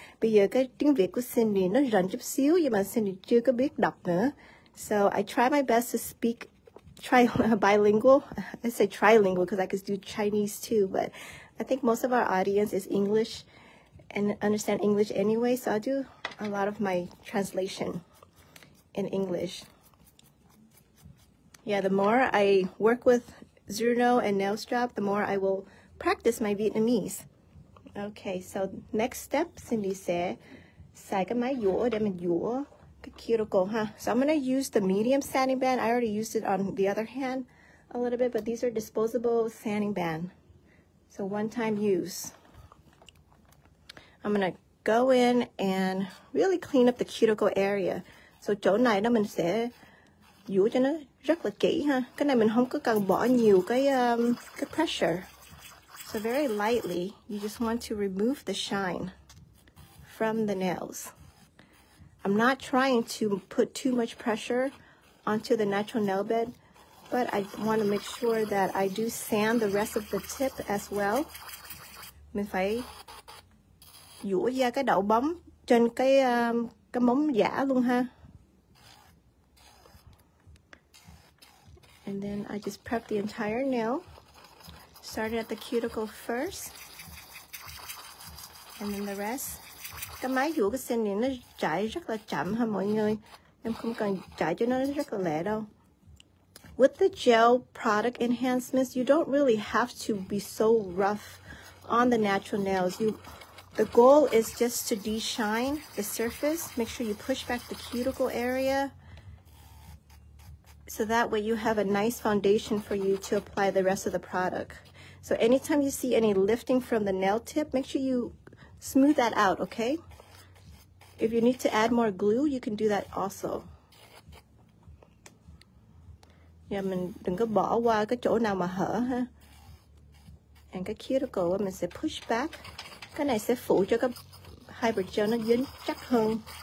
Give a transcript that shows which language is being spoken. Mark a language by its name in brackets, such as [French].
[Vietnamese] Bây giờ cái tiếng Việt của Cindy nó rần chút xíu nhưng mà Cindy chưa có biết đọc nữa. [English] So I try my best to speak bilingual. I say trilingual because I could do Chinese too, but I think most of our audience is English and understand English anyway, so I do a lot of my translation in English. Yeah, the more I work with ZURNO and nail strap, the more I will practice my Vietnamese. Okay, so next step, Cindy said, [Vietnamese] sai cái máy dũa để mình dũa cái cuticle, huh? [English] So I'm gonna use the medium sanding band. I already used it on the other hand a little bit, but these are disposable sanding band. So one time use. I'm gonna go in and really clean up the cuticle area. [Vietnamese] So chỗ này đó mình sẽ dũa cho nó rất là kỹ ha. Cái này mình không có cần bỏ nhiều cái pressure. [English] So very lightly, you just want to remove the shine from the nails. I'm not trying to put too much pressure onto the natural nail bed, but I want to make sure that I do sand the rest of the tip as well. [Vietnamese] Mình phải dũa ra cái đậu bấm trên cái móng giả luôn ha. [English] And then I just prep the entire nail. Started at the cuticle first, and then the rest. [Vietnamese] Cái máy dũa của Cindy nó chảy rất là chậm ha mọi người. Em không cần chảy cho nó rất là lẹ đâu. [English] With the gel product enhancements, you don't really have to be so rough on the natural nails. The goal is just to de-shine the surface. Make sure you push back the cuticle area, so that way you have a nice foundation for you to apply the rest of the product. So anytime you see any lifting from the nail tip, make sure you smooth that out, okay? If you need to add more glue, you can do that also. [Vietnamese] Yeah, mình đừng có bỏ qua cái chỗ nào mà hở ha. And cái cuticle mình sẽ push back. Cái này sẽ phụ cho cái hydrogel nó dính chắc hơn.